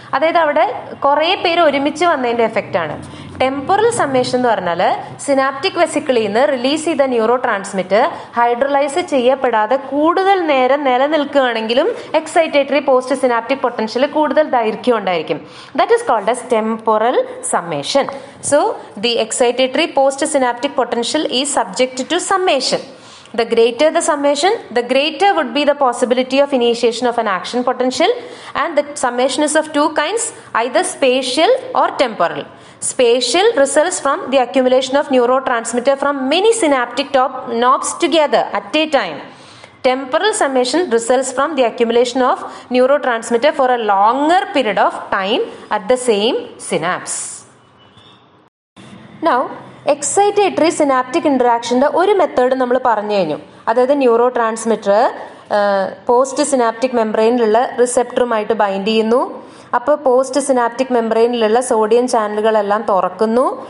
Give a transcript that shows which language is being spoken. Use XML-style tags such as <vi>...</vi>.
<ml>അതായത് അവിടെ കുറേ പേര് ഒരുമിച്ച് വന്നതിൻ്റെ എഫക്റ്റാണ്. ടെമ്പറൽ സമ്മേഷൻ എന്ന് പറഞ്ഞാൽ സിനാപ്റ്റിക് വെസിക്കിളിൽ നിന്ന് റിലീസ് ചെയ്ത ന്യൂറോ ട്രാൻസ്മിറ്റർ ഹൈഡ്രലൈസ് ചെയ്യപ്പെടാതെ കൂടുതൽ നേരം നിലനിൽക്കുകയാണെങ്കിലും എക്സൈറ്റേറ്ററി പോസ്റ്റ് സിനാപ്റ്റിക് പൊട്ടൻഷ്യൽ കൂടുതൽ ദൈർഘ്യം ഉണ്ടായിരിക്കും.</ml> <en>That is called as temporal summation. So the excitatory post synaptic potential is subject to summation. The greater the summation, the greater would be the possibility of initiation of an action potential. And the summation is of two kinds, either spatial or temporal. Spatial results from the accumulation of neurotransmitter from many synaptic knobs together at a time. Temporal summation results from the accumulation of neurotransmitter for a longer period of time at the same synapse.</en> <ml>Now, excitatory synaptic ഇൻട്രാക്ഷൻ്റെ ഒരു method നമ്മൾ പറഞ്ഞു കഴിഞ്ഞു. അതായത് neuro transmitter post synaptic മെംബ്രെയിനിലുള്ള റിസെപ്റ്ററുമായിട്ട് bind ചെയ്യുന്നു. അപ്പോൾ post synaptic മെംബ്രെയിനിലുള്ള sodium ചാനലുകളെല്ലാം തുറക്കുന്നു.</ml>